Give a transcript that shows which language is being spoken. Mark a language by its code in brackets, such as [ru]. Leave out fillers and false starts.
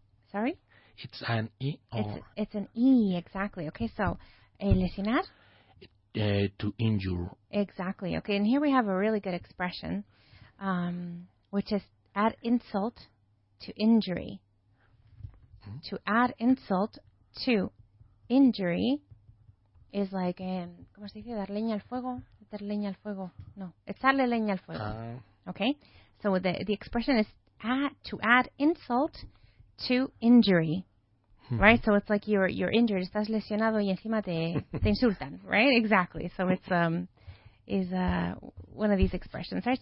[en] Sorry? It's an E or? It's an E, exactly. Okay, so. Lesionar? To injure. Exactly. Okay, and here we have a really good expression, which is add insult to injury. Mm-hmm. To add insult to injury is like, ¿cómo se dice? Dar leña al fuego. [es] meter leña al fuego. No, echarle leña al fuego. Okay. [en] So the expression is to add insult to injury. Right? So it's like you're injured, estás lesionado y encima te insultan, right? Exactly. So it's one of these expressions, right?